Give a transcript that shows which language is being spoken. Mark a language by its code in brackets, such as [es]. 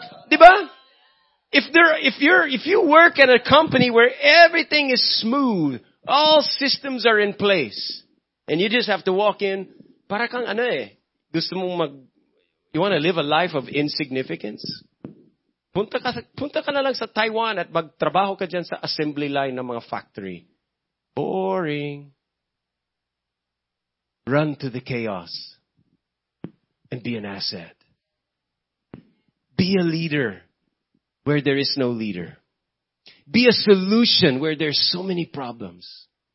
[en] Diba? If you work at a company where everything is smooth, all systems are in place, and you just have to walk in, [tl] para kang gusto mong [en] you want to live a life of insignificance? [tl] Punta ka na lang sa Taiwan at magtrabaho ka dyan sa assembly line ng mga factory. [en] Boring. Run to the chaos and be an asset. Be a leader where there is no leader. Be a solution where there's so many problems.